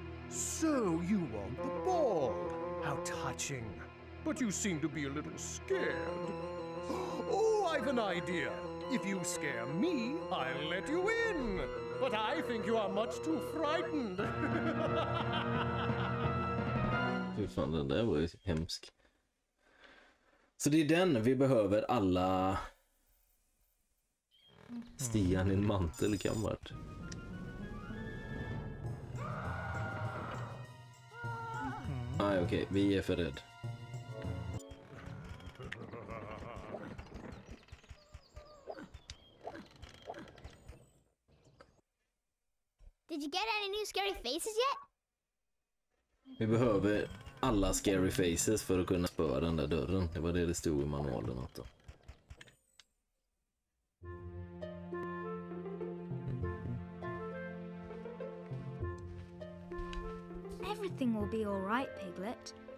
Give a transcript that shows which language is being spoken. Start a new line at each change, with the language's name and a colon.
English: So you want the ball. How touching. But you seem to be a little scared. Oh, I've an idea. If you scare me, I'll let you in. But I think you are much too frightened.
Swedish: Fy fan, den där var ju hemsk. Så det är den vi behöver alla... Stian i en mantel kan vart. Aj, okej, vi är för rädd.
English: Did you get any new scary faces yet?
Swedish: Vi behöver alla
English: scary faces
Swedish: för att kunna spöra den där dörren. Det var det stod i manualen åt då.
English: Everything will be all right, Piglet.